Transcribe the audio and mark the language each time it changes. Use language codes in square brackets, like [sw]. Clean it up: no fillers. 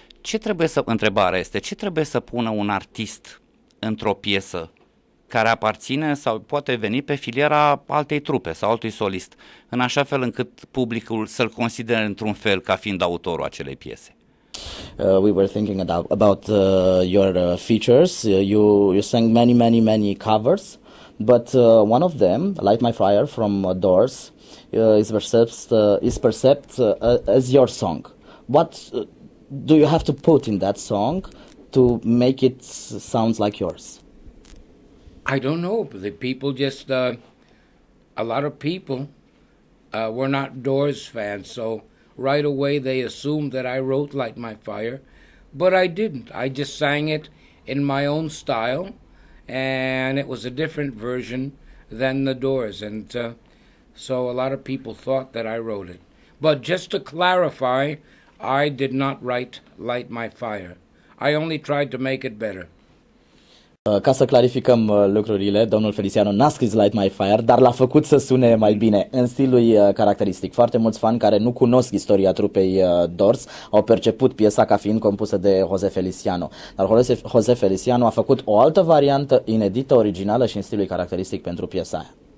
[ro] Ce trebuie să, întrebarea este, ce trebuie să pună un artist într-o piesă care aparține sau poate veni pe filiera altei trupe sau altui solist, în așa fel încât publicul să-l considere într-un fel ca fiind autorul acelei piese? [en] We were thinking about your features. You sang many covers, but one of them, Light My Fire from Doors, is perceived as your song. What do you have to put in that song to make it sounds like yours? I don't know. The people just, a lot of people were not Doors fans, so right away they assumed that I wrote Light My Fire, but I didn't. I just sang it in my own style, and it was a different version than the Doors, and so a lot of people thought that I wrote it. But just to clarify, I did not write Light My Fire. I only tried to make it better. [ro] Ca să clarificăm lucrurile, domnul Feliciano n-a scris Light My Fire, dar l-a făcut să sune mai bine, în stilul lui caracteristic. Foarte mulți fani care nu cunosc istoria trupei Doors au perceput piesa ca fiind compusă de José Feliciano. Dar José Feliciano a făcut o altă variantă inedită, originală și în stilul caracteristic pentru piesa aia.